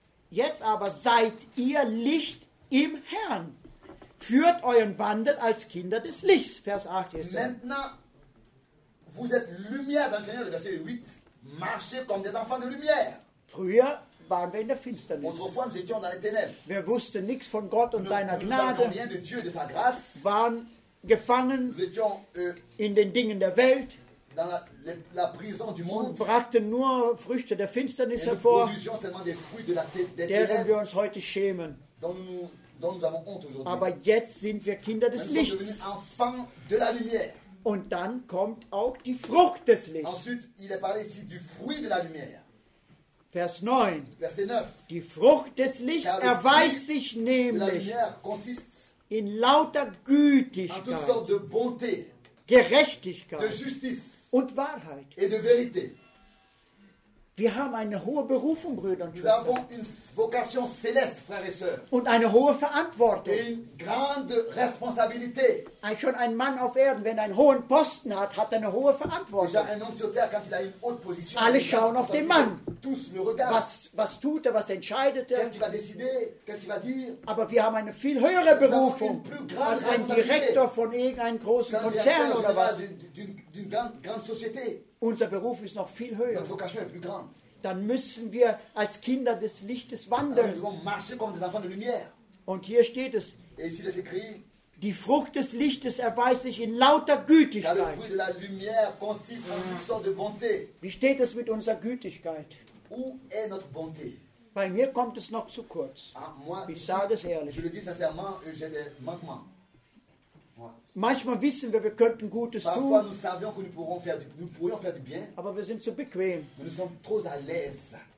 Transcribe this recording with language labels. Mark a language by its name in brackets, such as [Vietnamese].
[German] Jetzt aber seid ihr Licht im Herrn. Führt euren Wandel als Kinder des Lichts. Vers 8 ist. [French] Maintenant, vous êtes lumière dans le Seigneur, verset 8. Marchez comme des enfants de lumière. [German] Früher waren wir in der Finsternis. [French] Autrefois, nous étions dans les ténèbres. [German] Wir wussten nichts von Gott und seiner Gnade. [French] Nous savions rien de Dieu, de sa grâce. [German] Waren gefangen [French] nous étions, [German] in den Dingen der Welt. [French] Dans la prison du monde. [German] Und brachten nur Früchte der Finsternis [French] et [German] hervor. Deren wir uns heute schämen. [French] Dont nous avons honte aujourd'hui. [German] Aber jetzt sind wir Kinder des Lichts. [French] Nous sommes devenus enfants de la lumière. [German] Und dann kommt auch die Frucht des Lichts. [French] Ensuite, il est parlé ici du fruit de la lumière. [German] Vers 9. [French] Verset 9. [German] Die Frucht des Lichts erweist sich nämlich [French] de la lumière consiste [German] in lauter Gütigkeit, [French] en toutes sortes de bonté, [German] Gerechtigkeit, [French] de justice [German] und Wahrheit. [French] Et de vérité. [German] Wir haben eine hohe Berufung, Brüder und Schwestern. Wir haben eine [French] Vocation céleste, Frères et Sœurs. [German] Und eine hohe Verantwortung. [French] Une grande responsabilité. [German] Schon ein Mann auf Erden, wenn er einen hohen Posten hat, hat er eine hohe Verantwortung. [French] Déjà un homme sur terre, quand il a une haute position. [German] Alle schauen auf den Mann. [French] Tous le regardent. [German] Was tut er, was entscheidet er? [French] Qu'est-ce qu'il va décider? Qu'est-ce qu'il va dire? [German] Aber wir haben eine viel höhere Berufung [French] une plus grande [German] als ein Direktor von irgendeinem großen Konzern oder was. [French] D'une grande société. [German] unser Beruf ist noch viel höher. [French] Notre vocation est plus grande. [German] Dann müssen wir als Kinder des Lichtes wandeln. [French] Nous devons marcher comme des enfants de lumière. [German] Und hier steht es. [French] Et ici, il est écrit, [German] die Frucht des Lichtes erweist sich in lauter Gütigkeit. [French] Car le fruit de la lumière consiste en toutes sortes de bonté. [German] Wie steht es mit unserer Gütigkeit? [French] Où est notre bonté? [German] Bei mir kommt es noch zu kurz. Ich sage es ehrlich. [French] Je le dis sincèrement, j'ai des manquements. [German] Manchmal wissen wir könnten Gutes [French] parfois [German] tun. [French] Nous savions que nous pourrions faire du bien. [German] Aber wir sind zu bequem. [French] Mais nous sommes trop à l'aise.